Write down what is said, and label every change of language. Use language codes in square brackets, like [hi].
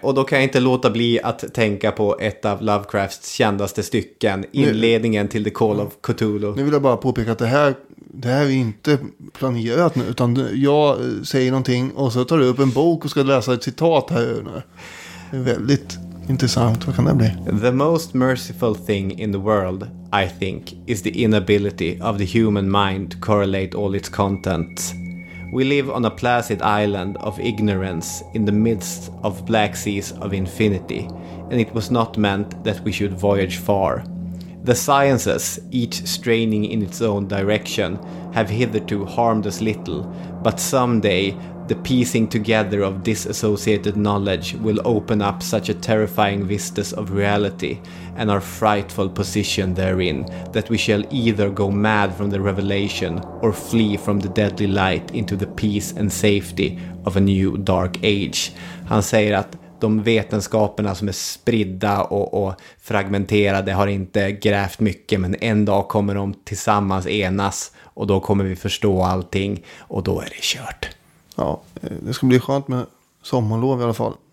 [sv] Och då kan jag inte låta bli att tänka på ett av Lovecrafts kändaste stycken. Inledningen till The Call of Cthulhu. Nu vill jag bara påpeka att det här är inte planerat nu, utan jag säger någonting och så tar du upp en bok och ska läsa ett citat här. Det är väldigt intressant. Vad kan det bli? [en] The most merciful thing in the world, I think, is the inability of the human mind to correlate all its contents. We live on a placid island of ignorance in the midst of black seas of infinity, and it was not meant that we should voyage far. The sciences, each straining in its own direction, have hitherto harmed us little, but someday the piecing together of disassociated knowledge will open up such a terrifying vistas of reality and our frightful position therein that we shall either go mad from the revelation or flee from the deadly light into the peace and safety of a new dark age. [sv] Han säger att de vetenskaperna som är spridda och fragmenterade har inte grävt mycket, men en dag kommer de tillsammans enas och då kommer vi förstå allting och då är det kört. Ja, det ska bli skönt med sommarlov i alla fall.